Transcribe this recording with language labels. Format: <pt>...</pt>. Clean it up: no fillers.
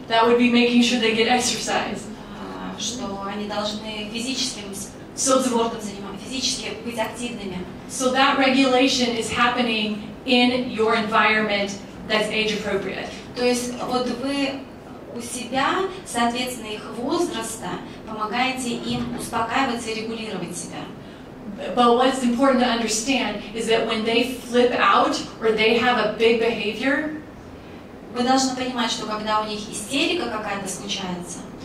<en>That would be making sure they get exercise.</en> <ru>Что они должны физическим спортом заниматься, физически быть активными.</ru> <en>So that regulation is happening in your environment that's age appropriate.</en> <ru>То есть вот вы у себя, соответственно, их возраста, помогаете им успокаиваться и регулировать себя.</ru> <en>But what's important to understand is that when they flip out or they have a big behavior,</en> <ru>вы должны понимать, что когда у них истерика какая-то случается,</ru>